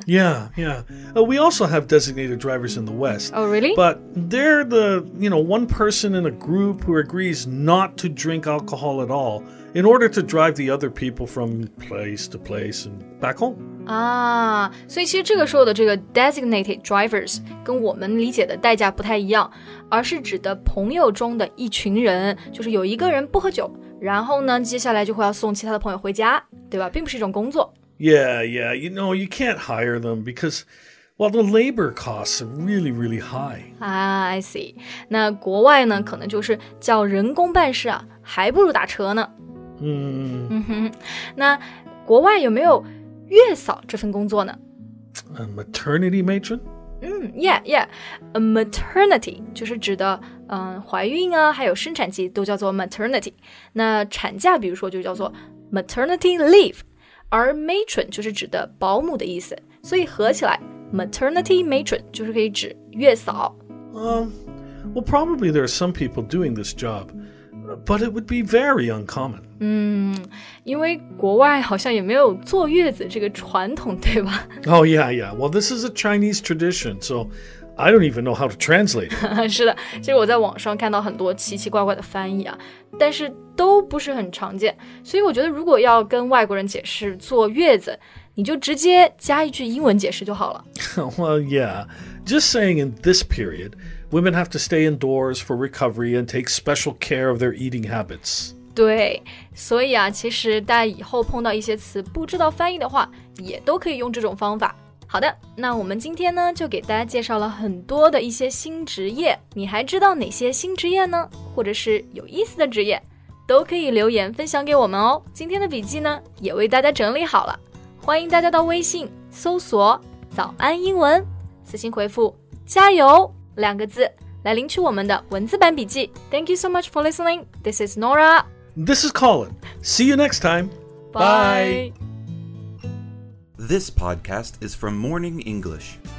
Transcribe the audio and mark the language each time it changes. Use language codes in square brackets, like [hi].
[en] Yeah, yeah. We also have designated drivers in the West. Oh, really? But they're the, you know, one person in a group who agrees not to drink alcohol at all in order to drive the other people from place to place and back home. [zh] 啊，所以其实这个时候的这个 [en] designated drivers [zh] 跟我们理解的代驾不太一样，而是指的朋友中的一群人，就是有一个人不喝酒，然后呢接下来就会要送其他的朋友回家，对吧？并不是一种工作。 [en] Yeah, yeah, you know, you can't hire them because, well, the labor costs are really, really high. I see. [zh] 那国外呢可能就是叫人工办事啊，还不如打车呢。那国外有没有月嫂这份工作呢？ [en] A maternity matron? Yeah, yeah. [zh] A maternity 就是指的怀孕啊还有生产期都叫做 maternity。那产假比如说就叫做 maternity leave, 而 matron 就是指的保姆的意思，所以合起来 maternity matron 就是可以指月嫂。 [en] Well, probably there are some people doing this job, but it would be very uncommon. [zh] 因为国外好像也没有坐月子这个传统，对吧？ [en] Oh, yeah, yeah. Well, this is a Chinese tradition, soI don't even know how to translate. [zh] 是的，其实我在网上看到很多奇奇怪怪的翻译啊，但是都不是很常见。所以我觉得如果要跟外国人解释坐月子，你就直接加一句英文解释就好了。 Well, yeah. [en] Just saying in this period, women have to stay indoors for recovery and take special care of their eating habits. [zh] 对，所以啊，其实大家以后碰到一些词不知道翻译的话，也都可以用这种方法。好的，那我们今天呢就给大家介绍了很多的一些新职业，你还知道哪些新职业呢？或者是有意思的职业？都可以留言分享给我们哦。今天的笔记呢，也为大家整理好了，欢迎大家到微信搜索早安英文，私信回复加油两个字来领取我们的文字版笔记。 [en] Thank you so much for listening. This is Nora. This is Colin. See you next time. Bye. This podcast is from Morning English.